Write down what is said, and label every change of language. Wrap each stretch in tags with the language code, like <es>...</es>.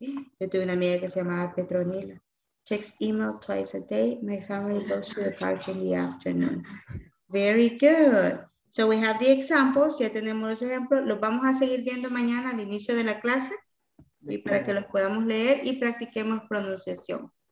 <es>Yo tuve una amiga que se llamaba Petronila.</es> <en>Checks email 2 times a day. My family goes to the park in the afternoon. Very good. So we have the examples.</en> <es>Ya tenemos los ejemplos. Los vamos a seguir viendo mañana al inicio de la clase. Y para que los podamos leer y practiquemos pronunciación.</es>